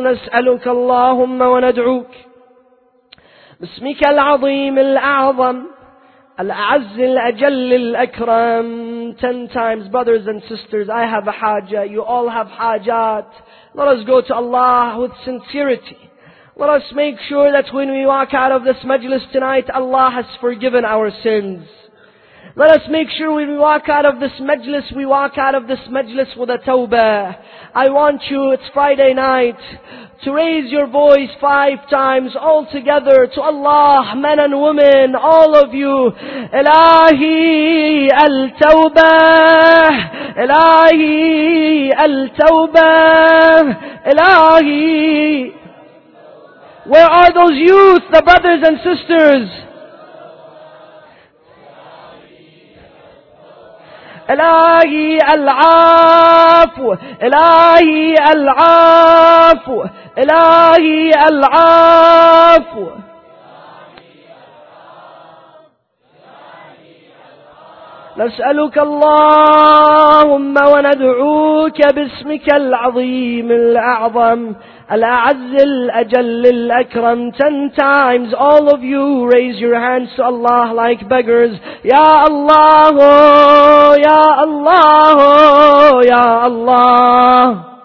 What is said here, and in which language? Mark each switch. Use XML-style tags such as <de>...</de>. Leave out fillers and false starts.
<ar>نسألك اللهم وندعوك باسمك العظيم الأعظم الأعز الأجل الأكرم.</ar> <en>10 times, brothers and sisters, I have a haja, you all have hajat. Let us go to Allah with sincerity. Let us make sure that when we walk out of this majlis tonight, Allah has forgiven our sins. Let us make sure when we walk out of this majlis, we walk out of this majlis with a tawbah. I want you, it's Friday night, to raise your voice 5 times all together to Allah, men and women, all of you.</en> <ar>Ilahi al-tawbah, Ilahi al-tawbah, Ilahi.</ar> <en>Where are those youth, the brothers and sisters?</en> <ar>إلهي العفو إلهي العفو إلهي العفو نسألك اللهم وندعوك باسمك العظيم الأعظم الأعز الأجل الأكرم.</ar> <en>10 times, all of you raise your hands to Allah like beggars.</en> <ar>Ya Allah, Ya Allah, Ya Allah.</ar>